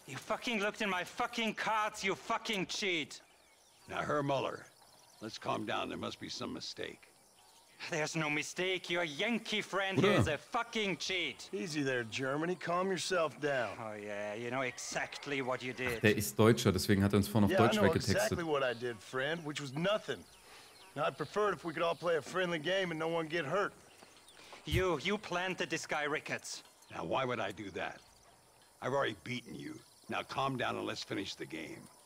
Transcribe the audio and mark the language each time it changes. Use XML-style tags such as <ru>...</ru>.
<en>You fucking looked in my fucking cards, you fucking cheat! Now, Herr Muller, let's calm down, there must be some mistake. There's no mistake, your Yankee friend here is a fucking cheat. Easy there, Germany, calm yourself down. Oh yeah, you know exactly what you did.</en> <de>Ach, der ist Deutscher, deswegen hat er uns vorhin auf Deutsch weggetextet.</de> <en>Yeah, I know exactly what I did, friend, which was nothing. Now, I'd prefer it if we could all play a friendly game and no one get hurt. You planted this guy, Ricketts. Now, why would I do that? I've already beaten you. Now calm down and let's finish the game.</en>